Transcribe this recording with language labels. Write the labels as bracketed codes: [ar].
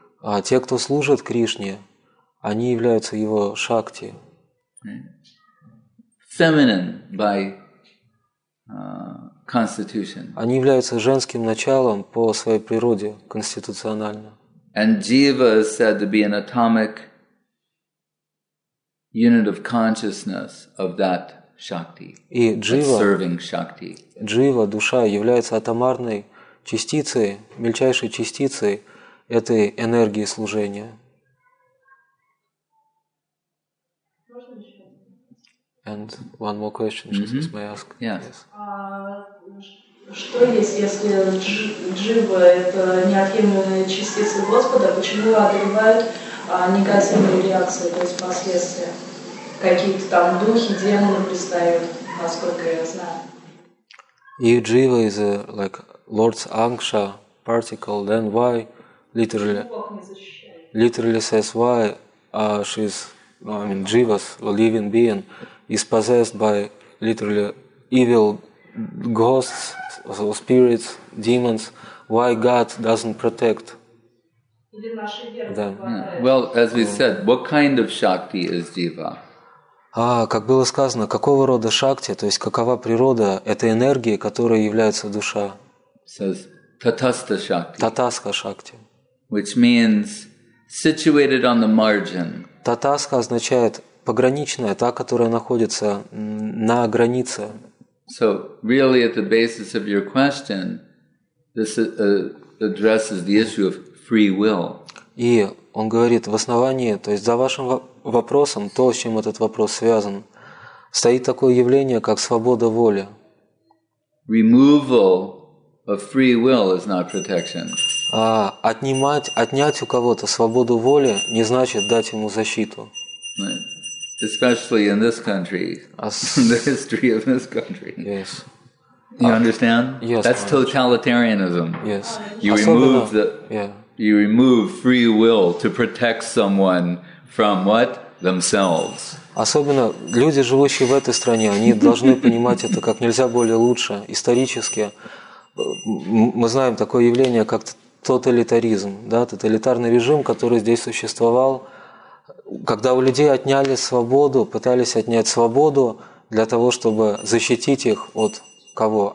[ru] А те, кто служит Кришне, они являются его Шакти. [en] Feminine by constitution. [ru] Они являются женским началом по своей природе, конституционально. [en] And Jiva is said to be an atomic unit of consciousness of that shakti, [ru] и джива, [en] that serving shakti. [ru] Джива, душа, является атомарной частицей, мельчайшей частицей этой энергии служения. [en] And one more question, may I ask? Yes. [ru] Что есть, если джива – это неотъемлемая частица Господа, почему отрывают негативные реакции, то есть последствия? Какие-то там духи, демоны пристают, насколько я знаю. [en] If джива is a, like Lord's anksha particle, then why literally says why she's, I mean, jivas, living being, is possessed by literally evil ghosts, so spirits, demons. Why God doesn't protect them? Well, as we said, what kind of shakti is jiva? [ru] Как было сказано, какого рода шакти, то есть какова природа этой энергии, которой является душа? [en] Says tatastha shakti. Tatastha shakti. Which means situated on the margin. [ru] Татаска означает пограничная, та, которая находится на границе. [en] So really at the basis of your question, this addresses the issue of free will. [ru] И он говорит, в основании, то есть за вашим вопросом, то, с чем этот вопрос связан, стоит такое явление, как свобода воли. [en] Removal of free will is not protection. [ru] Отнять у кого-то свободу воли не значит дать ему защиту. [en] Especially in this country, the history of this country. Yes. You understand? Yes. That's totalitarianism. Yes. You remove free will to protect someone from what? Themselves. [ru] Особенно люди, живущие в этой стране, они должны понимать это как нельзя более лучше. Исторически мы знаем такое явление, как тоталитаризм, да, тоталитарный режим, который здесь существовал, когда у людей отняли свободу, пытались отнять свободу для того, чтобы защитить их от кого?